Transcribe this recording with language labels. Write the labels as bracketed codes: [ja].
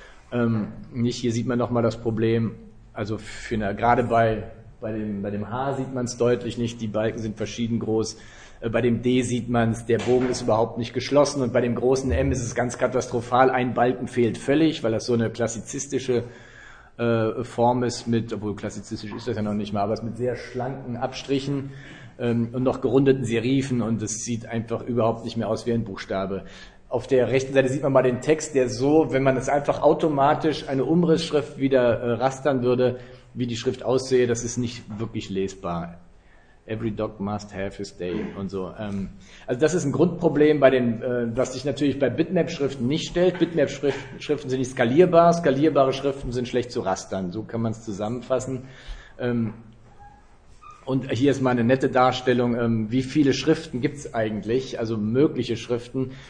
[de] Hier sieht man nochmal das Problem, also gerade bei dem H sieht man es deutlich nicht, die Balken sind verschieden groß, bei dem D sieht man es, der Bogen ist überhaupt nicht geschlossen und bei dem großen M ist es ganz katastrophal, ein Balken fehlt völlig, weil das so eine klassizistische Form ist obwohl klassizistisch ist das ja noch nicht mal, aber es mit sehr schlanken Abstrichen und noch gerundeten Serifen und es sieht einfach überhaupt nicht mehr aus wie ein Buchstabe. Auf der rechten Seite sieht man mal den Text, der so, wenn man es einfach automatisch eine Umrissschrift wieder rastern würde, wie die Schrift aussehe, das ist nicht wirklich lesbar. [en] Every dog must have his day [de] und so. Also das ist ein Grundproblem, was sich natürlich bei Bitmap-Schriften nicht stellt. Bitmap-Schriften sind nicht skalierbar, skalierbare Schriften sind schlecht zu rastern. So kann man es zusammenfassen. Und hier ist mal eine nette Darstellung, wie viele Schriften gibt es eigentlich, also mögliche Schriften.